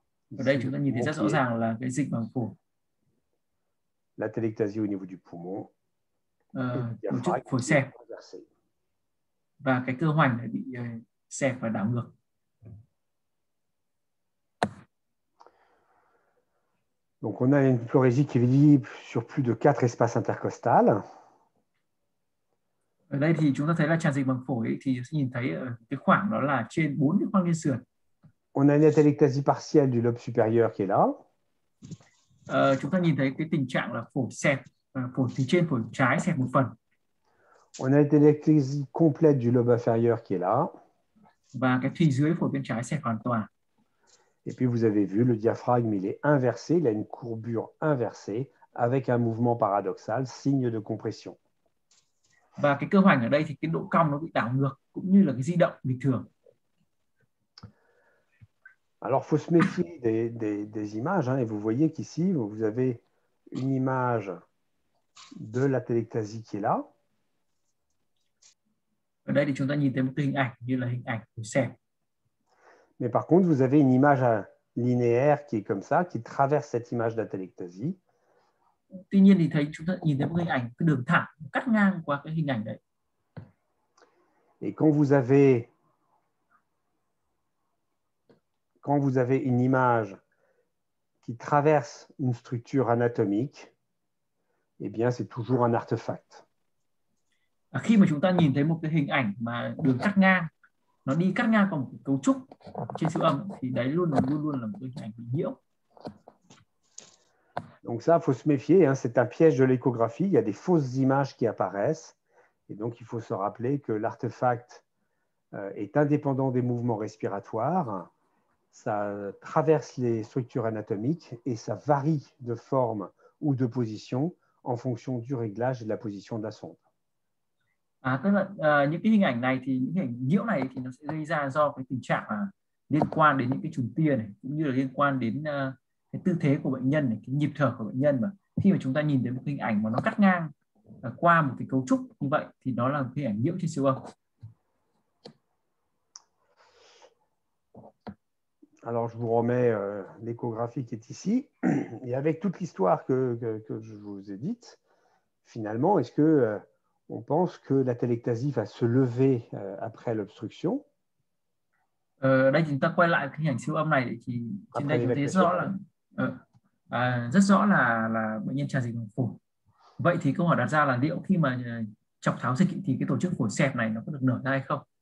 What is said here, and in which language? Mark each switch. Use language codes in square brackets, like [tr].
[fr] Ici, [vi] đây chúng ta nhìn thấy rất rõ ràng là cái dịch màng phổi. [fr] L'atelectasie au niveau du poumon. [vi] Phổi xẹp. Và cái cơ hoành bị xẹp và đảo ngược. [fr] Donc on a une pleurésie qui vit sur plus de 4 espaces intercostales. [vi] Ở đây thì chúng ta thấy là tràn dịch màng phổi thì nhìn thấy cái khoảng đó là trên 4 cái khoang liên sườn. [fr] On a une atelectasie partielle du lobe supérieur qui est là. [vi] Chúng ta nhìn thấy cái tình trạng là phổi xẹp, phổi từ trên phổi trái xẹp một phần. [fr] On a une atelectasie complète du lobe inférieur qui est là. [vi] Và cái phía dưới phổi bên trái xẹp hoàn toàn. [fr] Et puis vous avez vu le diaphragme, il est inversé, il a une courbure inversée avec un mouvement paradoxal, signe de compression. [vi] Và cái cơ hoành ở đây thì cái độ cong nó bị đảo ngược cũng như là cái di động bình thường. [fr] Alors, faut se méfier des images, hein, et vous voyez qu'ici, vous avez une image de l'atelectasie qui est là. [vi] Ở đây thì chúng ta nhìn thấy một hình ảnh như là hình ảnh của xẹp. [fr] Mais par contre, vous avez une image linéaire qui est comme ça, qui traverse cette image d'atelectasie. [vi] Tuy nhiên thì thấy chúng ta nhìn thấy một hình ảnh cái đường thẳng cắt ngang qua cái hình ảnh đấy. [fr] Et quand vous avez une image qui traverse une structure anatomique, eh bien c'est toujours un artefact. [vi] Khi mà chúng ta nhìn thấy một cái hình ảnh mà đường cắt ngang, nó đi cắt ngang vào một cái cấu trúc trên siêu âm, thì đấy luôn luôn là một cái hình ảnh bị nhiễu. [fr] Donc ça, il faut se méfier, hein. C'est un piège de l'échographie, il y a des fausses images qui apparaissent, et donc il faut se rappeler que l'artefact est indépendant des mouvements respiratoires, ça traverse les structures anatomiques et ça varie de forme ou de position en fonction du réglage et de la position de la sonde. [vi] À, tức là những cái hình ảnh này thì những cái nhiễu này thì nó sẽ gây ra do cái tình trạng liên quan đến những cái trùng tia này cũng như là liên quan đến cái tư thế của bệnh nhân này, cái nhịp thở của bệnh nhân mà khi mà chúng ta nhìn thấy một hình ảnh mà nó cắt ngang qua một cái cấu trúc như vậy thì đó là một cái ảnh nhiễu trên siêu âm. [fr] Alors, je vous remets l'échographie qui est ici. Et avec toute l'histoire que je vous ai dite, finalement, est-ce qu'on pense que l'atélectasie va se lever après l'obstruction, [vi] Đây chúng ta quay lại cái hình ảnh siêu âm này thì trên [fr] après [vi] đây chúng ta thấy [fr] l'évacuation? [vi] rõ là rất rõ là bệnh nhân tràn dịch màng phổi. Vậy thì câu hỏi đặt ra là liệu khi mà chọc tháo dịch thì cái tổ chức phổi xẹp này nó có được nở ra hay không?